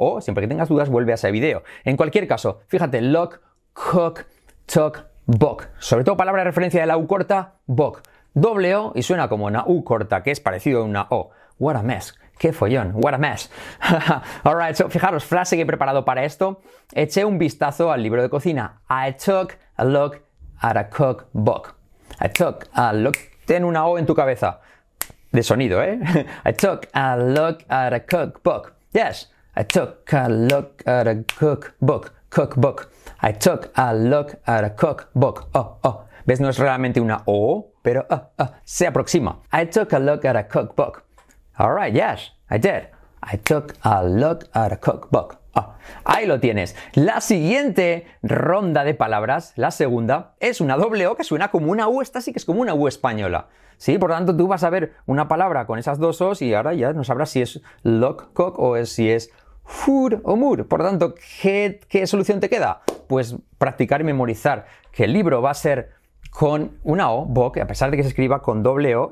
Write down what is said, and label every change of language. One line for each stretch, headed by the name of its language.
Spanish: O, siempre que tengas dudas, vuelve a ese video. En cualquier caso, fíjate, lock, cook, talk, book. Sobre todo palabra de referencia de la U corta, book. Doble O y suena como una U corta, que es parecido a una O.
English: What a mess.
Spanish: Qué follón.
English: What a mess. All right, so
Spanish: fijaros, frase que he preparado para esto. Eché un vistazo al libro de cocina.
English: I took a look at a cookbook. I took a look.
Spanish: Ten una O en tu cabeza. De sonido, ¿eh?
English: I took a look at a cookbook. Yes. I took a look at a cookbook. Cookbook. I took a look at a cookbook.
Spanish: Oh, oh. ¿Ves? No es realmente una O, pero se aproxima.
English: I took a look at a cookbook. All right, yes, I did. I took a look at a cookbook.
Spanish: Oh, ahí lo tienes. La siguiente ronda de palabras, la segunda, es una doble O que suena como una U. Esta sí que es como una U española. Sí, por lo tanto, tú vas a ver una palabra con esas dos O's y ahora ya no sabrás si es look, cook o si es food o mood. Por lo tanto, ¿qué solución te queda? Pues practicar y memorizar que el libro va a ser con una O, book, a pesar de que se escriba con doble O.